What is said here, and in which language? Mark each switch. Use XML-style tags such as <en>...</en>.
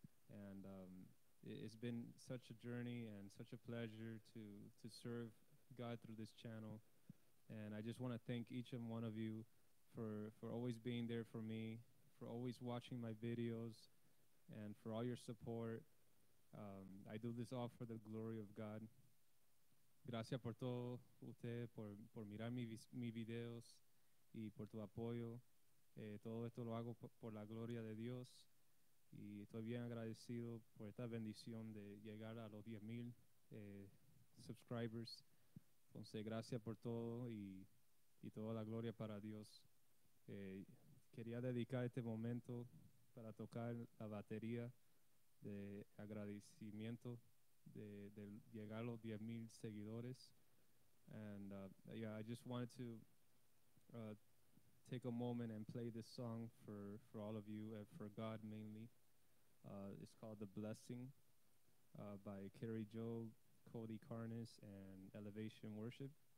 <en>And it's been such a journey and such a pleasure to serve God through this channel. And I just want to thank each and one of you for always being there for me, for always watching my videos, and for all your support. I do this all for the glory of God.</en> <es>Gracias por todo usted, por mirar mis videos y por tu apoyo. Todo esto lo hago por la gloria de Dios. Y estoy bien agradecido por esta bendición de llegar a los 10,000 subscribers. Entonces, gracias por todo y toda la gloria para Dios. Quería dedicar este momento para tocar la batería de agradecimiento de llegar a los 10,000 seguidores.</es> <en>And yeah, I just wanted to take a moment and play this song for all of you and for God mainly. It's called The Blessing by Kerry Joe, Cody Karnes, and Elevation Worship.</en>